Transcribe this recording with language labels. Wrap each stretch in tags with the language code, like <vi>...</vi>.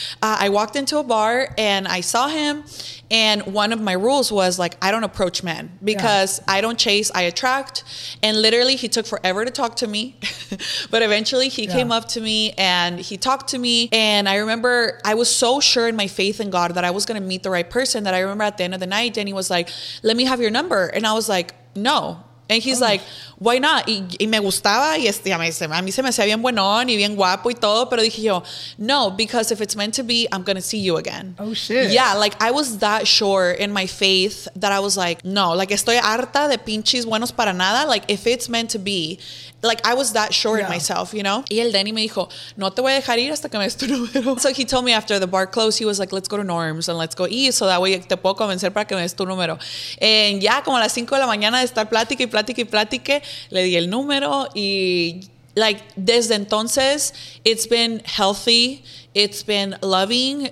<en>I walked into a bar and I saw him. And one of my rules was like, I don't approach men because I don't chase, I attract. And literally he took forever to talk to me, but eventually he came up to me and he talked to me. And I remember I was so sure in my faith in God that I was going to meet the right person that I remember at the end of the night, Danny was like, let me have your number. And I was like, no. And he's like, why not?</en> <es>Y me gustaba. Y este, a mí se me hacía bien buenón y bien guapo y todo. Pero dije yo, no,</es> <en>because if it's meant to be, I'm going to see you again. Oh, shit. Yeah, like, I was that sure in my faith that I was like, no.</en> <es>Like, estoy harta de pinches buenos para nada.</es> <en>Like, if it's meant to be. Like, I was that sure in myself, you know?</en> <es>Y el Danny me dijo, no te voy a dejar ir hasta que me des tu número.</es> <en>So he told me after the bar closed, he was like, let's go to Norm's and let's go eat. So that way</en> <es>te puedo convencer para que me des tu número.</es> <en>And</en> <es>ya, como a las 5 de la mañana de estar plática y plática y plática, le di el número. Y like, desde entonces,</es> <en>it's been healthy. It's been loving.</en>